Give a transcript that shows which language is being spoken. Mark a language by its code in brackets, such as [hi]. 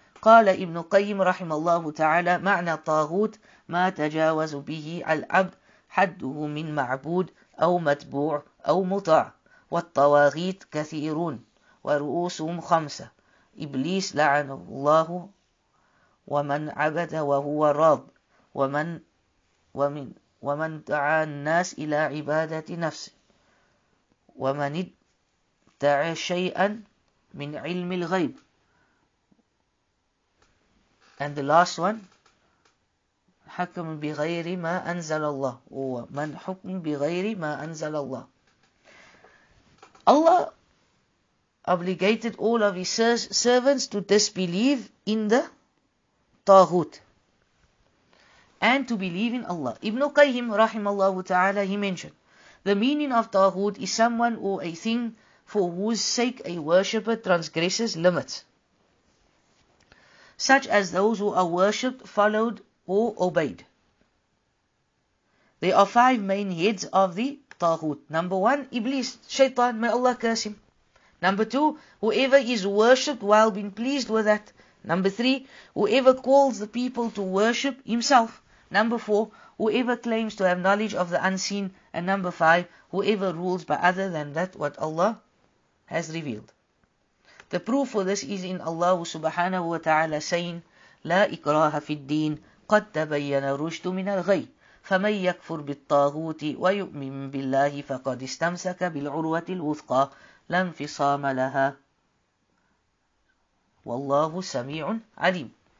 [ar] قال ابن قيم رحم الله تعالى معنى طاغوت ما تجاوز به العبد حده من معبود أو متبوع أو مطاع والطواغيت كثيرون ورؤوسهم خمسة إبليس لعن الله ومن عبد وهو راض ومن دعا الناس إلى عبادة نفسه ومن ادعى شيئا من علم الغيب. [en] And the last one, [ar] حكم بغير ما أنزل الله, هو من حكم بغير ما أنزل الله. [en] Allah obligated all of His servants to disbelieve in the طاغوت and to believe in Allah. Ibn Qayyim [ar] رحم الله تعالى, [en] he mentioned, the meaning of طاغوت is someone or a thing for whose sake a worshipper transgresses limits, such as those who are worshipped, followed, or obeyed. There are five main heads of the Taghut. Number one, Iblis, Shaitan, may Allah curse him. Number two, whoever is worshipped while being pleased with that. Number three, whoever calls the people to worship himself. Number four, whoever claims to have knowledge of the unseen. And number five, whoever rules by other than that what Allah has revealed. The proof for this is in Allah subhanahu wa ta'ala saying, [ar] لا إكراه في الدين قد تبين الرشد من الغي فمن يكفر بالطاغوت ويؤمن بالله فقد استمسك بالعروة الوثقى لا انفصام لها والله سميع عليم.